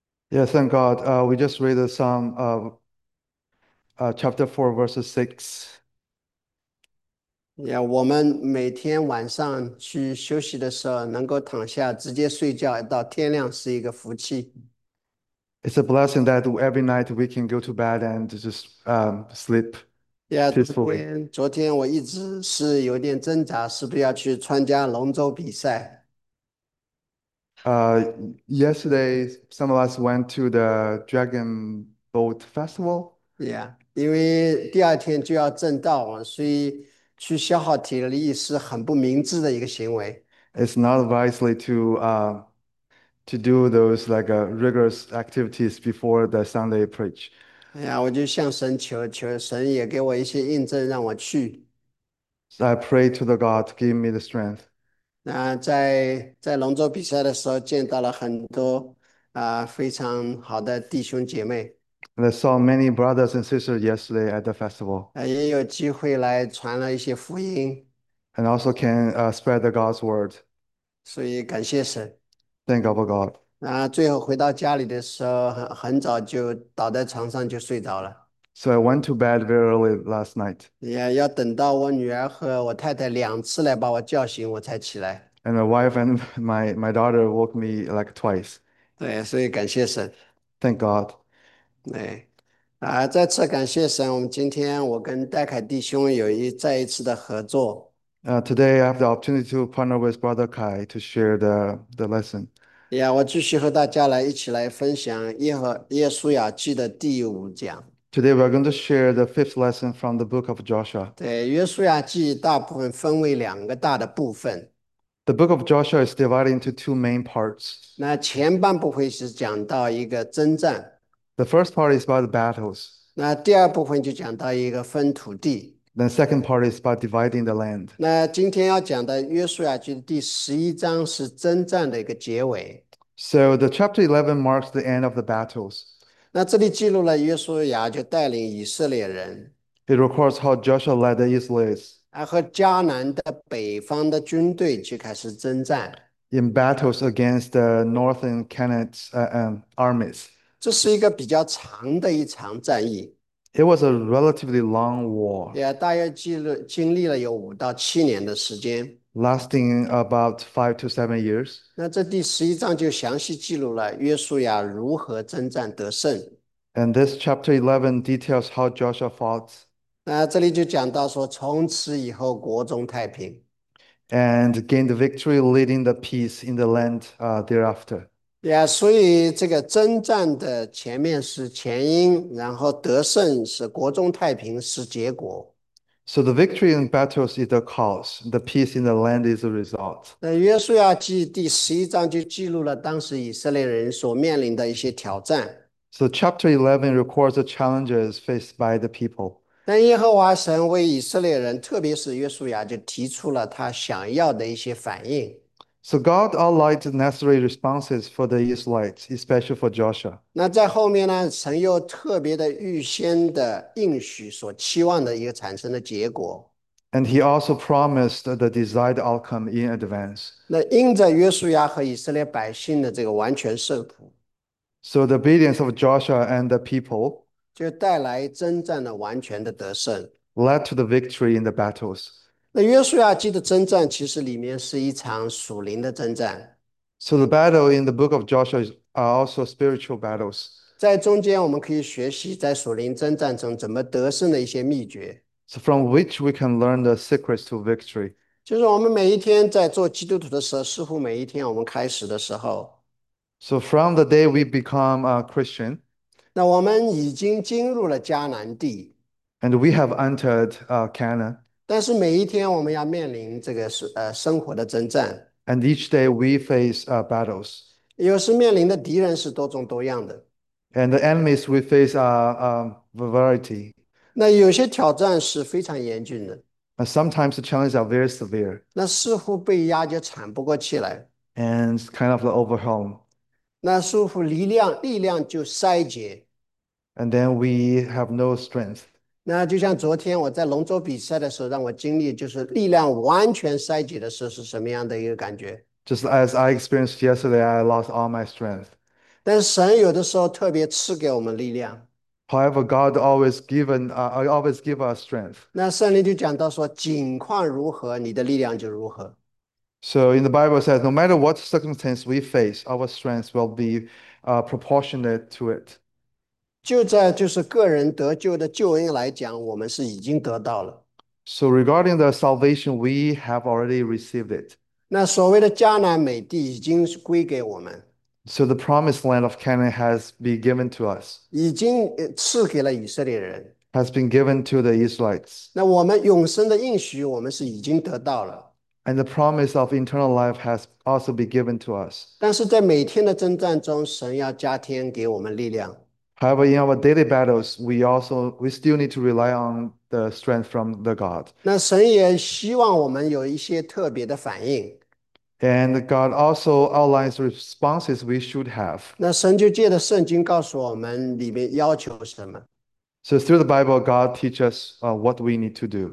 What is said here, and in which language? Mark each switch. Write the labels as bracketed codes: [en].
[en] Yeah, thank God. We just read the Psalm chapter 4, verses 6. [zh] ”我们每天晚上去休息的时候，能够躺下直接睡觉到天亮，是一个福气。 [en] It's a blessing that every night we can go to bed and just sleep peacefully. [zh] 昨天我一直是有点挣扎，是不是要去参加龙舟比赛？ [en] Yesterday, some of us went to the Dragon Boat Festival. [zh] 因为第二天就要正道了，所以去消耗体力是很不明智的一个行为。 [en] It's not wisely to do those rigorous activities before the Sunday preach. [zh] 我就向神求，求神也给我一些印证，让我去。 [en] So I pray to the God to give me the strength. [zh] 那在龙舟比赛的时候，见到了很多非常好的弟兄姐妹。 [en] And I saw many brothers and sisters yesterday at the festival. [zh] 也有机会来传了一些福音。 [en] And also can spread the God's word. [zh] 所以感谢神。 [en] Thank our God. [zh] 然后最后回到家里的时候，很早就倒在床上就睡着了。 [en] So I went to bed very early last night. [zh] 要等到我女儿和我太太两次来把我叫醒，我才起来。 [en] And my wife and my daughter woke me twice. [zh] 对，所以感谢神。 [en] Thank God. [zh] 对，再次感谢神，我们今天我跟戴凯弟兄有再一次的合作。 [en] Today, I have the opportunity to partner with Brother Kai to share the lesson. [zh] 我继续和大家来一起来分享耶稣雅记的第五讲。 [en] Today, we are going to share the fifth lesson from the book of Joshua. [zh] 对，耶稣雅记大部分分为两个大的部分。 [en] The book of Joshua is divided into two main parts. [zh] 那前半部分是讲到一个征战， [en] The first part is about the battles. [zh] 那第二部分就讲到一个分土地。 [en] The second part is about dividing the land. [zh] 那今天要讲的约书亚记的第11章是征战的一个结尾。 [en] So the chapter 11 marks the end of the battles. [zh] 那这里记录了约书亚就带领以色列人， [en] It records how Joshua led the Israelites [zh] 然后迦南的北方的军队就开始征战。 [en] in battles against the northern Canaanite armies. [zh] 这是一个比较长的一场战役。 [en] It was a relatively long war, [zh] 大约经历了有5到7年的时间。 [en] lasting about 5 to 7 years. [zh] 那这第11章就详细记录了约书亚如何征战得胜。 [en] And this chapter 11 details how Joshua fought [zh] 这里就讲到说，从此以后国中太平。 [en] and gained the victory, leading the peace in the land thereafter. [zh] 所以这个征战的前面是前因，然后得胜是国中太平是结果。 [en] So the victory in battles is the cause, the peace in the land is the result. [zh] 那约书亚记第11章就记录了当时以色列人所面临的一些挑战。 [en] So chapter 11 records the challenges faced by the people. [zh] 但耶和华神为以色列人，特别是约书亚，就提出了他想要的一些反应。 [en] So God outlined the necessary responses for the Israelites, especially for Joshua. [zh] 那在后面呢，神又特别的预先的应许所期望的一个产生的结果。 [en] And he also promised the desired outcome in advance. [zh] 那因着约书亚和以色列百姓的这个完全受苦， [en] So the obedience of Joshua and the people [zh] 就带来征战的完全的得胜。 [en] led to the victory in the battles. [zh] 那约书亚记的征战其实里面是一场属灵的征战， [en] So the battle in the book of Joshua are also spiritual battles. [zh] 在中间我们可以学习在属灵征战中怎么得胜的一些秘诀。 [en] So from which we can learn the secrets to victory. [zh] 就是我们每一天在做基督徒的时候，似乎每一天我们开始的时候， [en] So from the day we become a Christian, [zh] 那我们已经进入了迦南地。 [en] And we have entered Canaan. [zh] 但是每一天我们要面临这个生活的征战， [en] And each day we face battles. [zh] 有时面临的敌人是多种多样的。 [en] And the enemies we face are variety. [zh] 那有些挑战是非常严峻的， [en] And sometimes the challenges are very severe. [zh] 那似乎被压就喘不过气来， [en] And it's kind of the overwhelm. [zh] 那似乎力量就衰竭。 [en] And then we have no strength. [zh] 那就像昨天我在龙舟比赛的时候，让我经历就是力量完全衰竭的时候是什么样的一个感觉。 [en] Just as I experienced yesterday, I lost all my strength. [zh] 但神有的时候特别赐给我们力量。 [en] However, God always give us strength. [zh] 那圣灵就讲到说，境况如何，你的力量就如何。 [en] So in the Bible says, no matter what circumstance we face, our strength will be proportionate to it. [zh] 就是个人得救的救恩来讲，我们是已经得到了。 [en] So regarding the salvation, we have already received it. [zh] 那所谓的迦南美地已经归给我们， [en] So the promised land of Canaan has been given to us, [zh] 已经赐给了以色列人。 [en] has been given to the Israelites. [zh] 那我们永生的应许，我们是已经得到了。 [en] And the promise of eternal life has also been given to us. [zh] 但是在每天的征战中，神要加添给我们力量。 [en] However, in our daily battles, we still need to rely on the strength from the God. [zh] 那神也希望我们有一些特别的反应。 [en] And God also outlines the responses we should have. [zh] 那神就借着圣经告诉我们里面要求什么。 [en] So through the Bible, God teaches what we need to do.